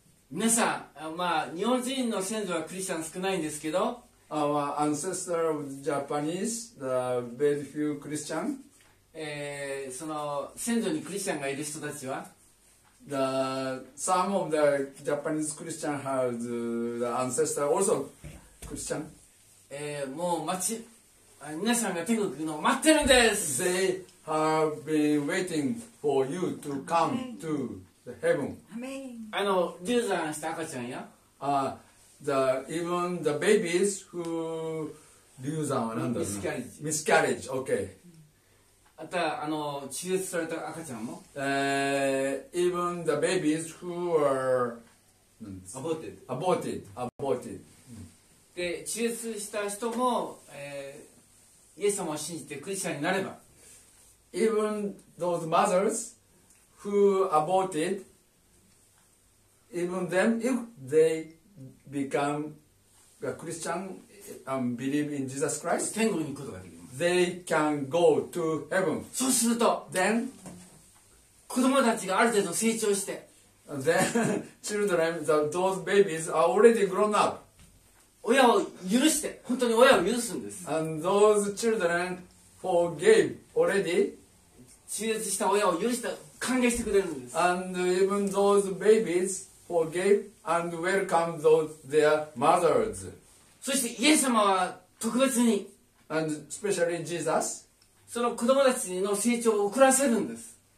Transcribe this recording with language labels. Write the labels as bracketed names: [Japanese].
[Japanese] 皆さん、まあ、日本人の先祖はクリスチャン少ないんですけど。 [English] Our ancestor of Japanese, the very few Christian. [Japanese] その先祖にクリスチャンがいる人たちは。 [English] The some of the Japanese Christian have the ancestor also Christian. [Japanese] もう待ち、皆さんが天国行くのを待ってるんです。 [English] They have been waiting for you to come to the heaven. [Japanese] あの流産した赤ちゃんや。 [English] Even the babies who [Japanese] 流産は何だろう。 [English] Miscarriage. Miscarriage. Okay. [Japanese] あとあの中絶された赤ちゃんも、 [English] even the babies who are aborted、 [Japanese] うん、で中絶した人も、イエス様を信じてクリスチャンになれば、 [English] even those mothers who aborted, even them if they become the Christian believe in Jesus Christ, [Japanese] 天国に行くことができます。 [English] They can go to heaven. [Japanese] そうすると、 [English] then [Japanese] 子供たちがある程度成長して、 [English] then children, those babies are already grown up. [Japanese] 親を許して、本当に親を許すんです。 [English] And those children forgave already. [Japanese] 中絶した親を許して、歓迎してくれるんです。 [English] And even those babies forgave and welcome those their mothers. [Japanese] そしてイエス様は特別に、 [English] and especially Jesus, [Japanese] その子供たちの成長を遅らせるんです。